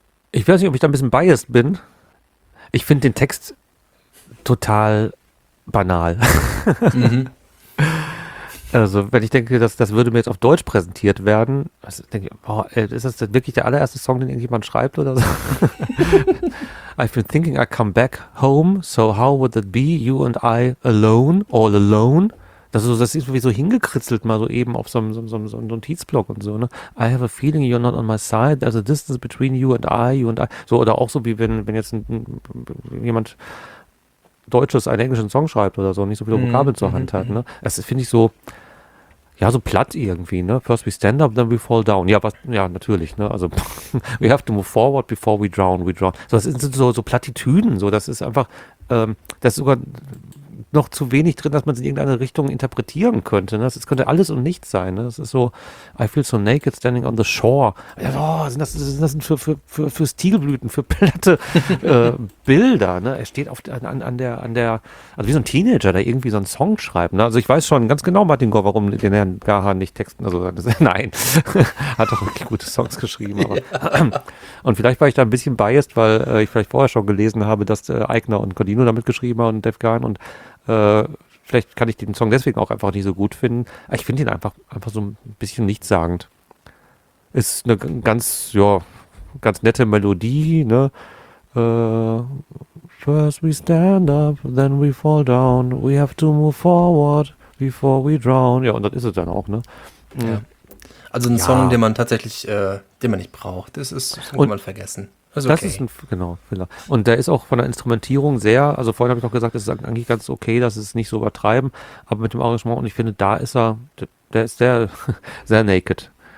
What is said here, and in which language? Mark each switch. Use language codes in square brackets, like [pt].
[de] Ich weiß nicht, ob ich da ein bisschen biased bin. Ich finde den Text total banal. Mhm. Also, wenn ich denke, das würde mir jetzt auf Deutsch präsentiert werden, also denke ich, boah, ey, ist das denn wirklich der allererste Song, den irgendjemand schreibt oder so? [en] I've been thinking I come back home, so how would that be, you and I alone, all alone? [de] Das ist irgendwie so hingekritzelt, mal so eben auf so einem Notizblock und so, ne? [en] I have a feeling you're not on my side, there's a distance between you and I. [de] So, oder auch so wie wenn jetzt jemand Deutsches einen englischen Song schreibt oder so, nicht so viele Vokabeln zur Hand hat, ne? Das finde ich so, ja, so platt irgendwie, ne? [en] First we stand up, then we fall down. [de] Ja, was, ja, natürlich, ne? [en] Also, we have to move forward before we drown. [de] So, das sind so Plattitüden, so, das ist einfach, das ist sogar noch zu wenig drin, dass man es in irgendeine Richtung interpretieren könnte. Ne? Das könnte alles und nichts sein. Ne? Das ist so, [en] I feel so naked standing on the shore. [de] Ja, boah, sind das für Stilblüten, für platte Bilder. Ne? Er steht oft an der, also wie so ein Teenager, der irgendwie so einen Song schreibt. Ne? Also ich weiß schon ganz genau, Martin Gore, warum den Herrn Gahan nicht texten. Also nein, hat doch wirklich gute Songs geschrieben. Aber. Und vielleicht war ich da ein bisschen biased, weil ich vielleicht vorher schon gelesen habe, dass Aigner und Codino damit geschrieben haben und Dave Gahan und vielleicht kann ich den Song deswegen auch einfach nicht so gut finden. Ich finde ihn einfach so ein bisschen nichtssagend. Ist eine ganz, ja, ganz nette Melodie, ne? [en] First we stand up, then we fall down. We have to move forward before we drown. [de] Ja, und das ist es dann auch, ne? Ja. Also ein Song, den man tatsächlich, den man nicht braucht. Das ist irgendwann mal vergessen. Okay. Das ist ein, genau, Filler. Und der ist auch von der Instrumentierung sehr, also vorhin habe ich noch gesagt, es ist eigentlich ganz okay, dass es nicht so übertreiben, aber mit dem Arrangement, und ich finde, da ist er, der ist sehr, sehr naked.